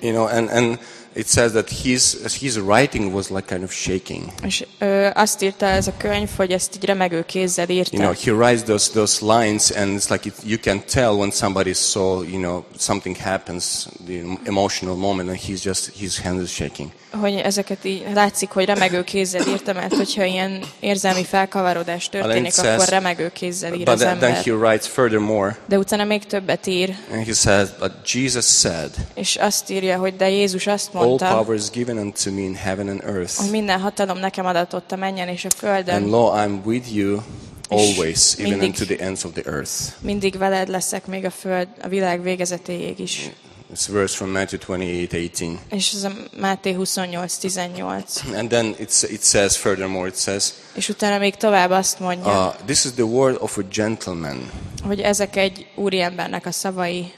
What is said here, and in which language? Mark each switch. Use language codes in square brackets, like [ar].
[en] You know, and it says that his writing was like kind of shaking. [hu] És azt írta ez a könyv, hogy ezt így remegő kézzel írta. [en] You know, he writes those lines and it's like you can tell when somebody saw, you know, something happens, the emotional moment, and his hand is shaking. [hu] Hogy ezeket így látszik, hogy remegő kézzel írta, mert hogyha ilyen érzelmi felkavarodás történik, [en] says, [hu] akkor remegő kézzel ír az ember. [en] Then he writes furthermore. [hu] De utána még többet ír. [en] And he says, but Jesus said. [hu] És azt írja, hogy de Jézus azt mondta. [en] All power is given unto me in heaven and earth. [hu] Minden hatalom nekem adatott a mennyen és a földön. [en] And lo, I'm with you always, even unto the ends of the earth. [hu] Mindig veled leszek, még a föld, a világ végezetéig is. [en] This verse from Matthew 28:18. [hu] És ez a Máté 28:18. [en] And then it says furthermore, it says. [hu] És utána még tovább azt mondja. [en] This is the word of a gentleman. [hu] Hogy ezek egy úriembernek a szavai.